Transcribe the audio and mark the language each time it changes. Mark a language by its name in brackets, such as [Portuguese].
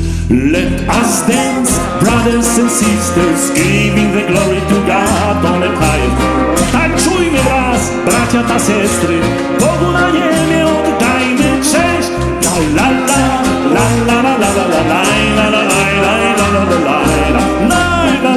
[English] Let us dance, brothers and sisters, giving the glory to God on high. [Polish] Tańczujmy raz, bracia ta siostry, Bogu na niebie oddajmy cześć. La la la, la la la la la la la la la la la la la la la.